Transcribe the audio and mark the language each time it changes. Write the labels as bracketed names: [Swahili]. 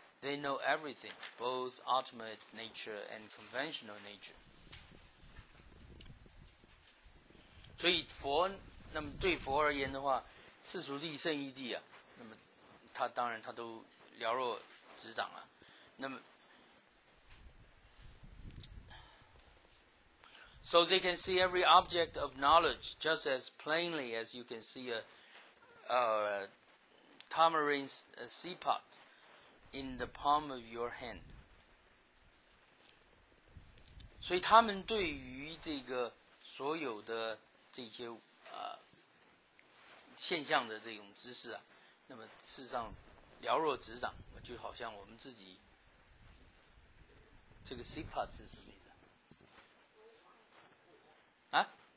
[English] They know everything, both ultimate nature and conventional nature. [Chinese] 所以佛，那么对佛而言的话，世俗地、圣义地啊，那么他当然他都了若指掌啊。 [English] 那么 ，So they can see every object of knowledge just as plainly as you can see a tamarind seed pod in the palm of your hand. [Chinese] 所以他们对于这个所有的这些现象的这种知识啊，那么事实上了若指掌，就好像我们自己这个 CPA 是什么意思啊？